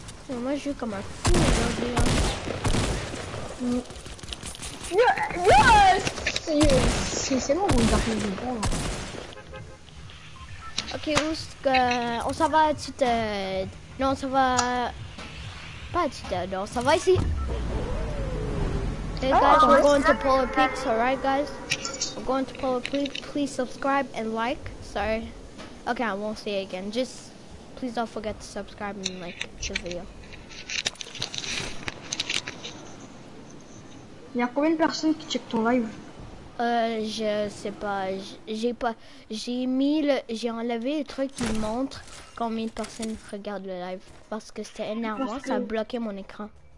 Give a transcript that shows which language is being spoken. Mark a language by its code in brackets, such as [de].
[fr] Moi, je joue comme un fou. Yes! C'est bon, vous avez fait bon. Ok, où est-ce que... On s'en va à suite... Non, on s'en va... Pas à suite, non, on s'en va ici. [en] Hey guys, I'm going to Polar Peaks, alright guys? I'm going to Polar Peaks, please subscribe and like. Sorry. Okay, I won't say it again. Just please don't forget to subscribe and like the video. [fr] Y'a combien de personnes qui check ton live? Je sais pas. J'ai enlevé le truc qui montre combien de personnes regardent le live. Parce que c'était énervant, ça a bloqué mon écran.